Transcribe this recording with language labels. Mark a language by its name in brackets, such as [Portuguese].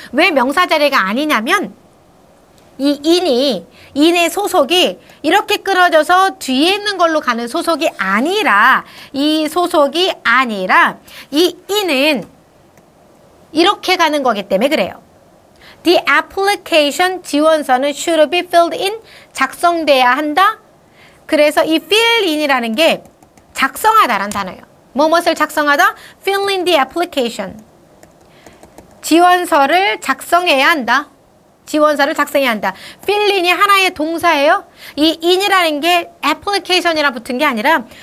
[Korean] 왜 명사 자리가 아니냐면 이 in의 소속이 이렇게 끌어져서 뒤에 있는 걸로 가는 소속이 아니라 이 소속이 아니라 이 in은 이렇게 가는 거기 때문에 그래요. [English] The application [Korean] 지원서는 [English] should be filled in [Korean] 작성돼야 한다. 그래서 이 fill in이라는 게 작성하다라는 단어예요. 뭐뭐를 작성하다? [English] fill in the application. [Korean] 지원서를 작성해야 한다. 지원서를 작성해야 한다. fill in이 하나의 동사예요. 이 in이라는 게 application이랑 붙은 게 아니라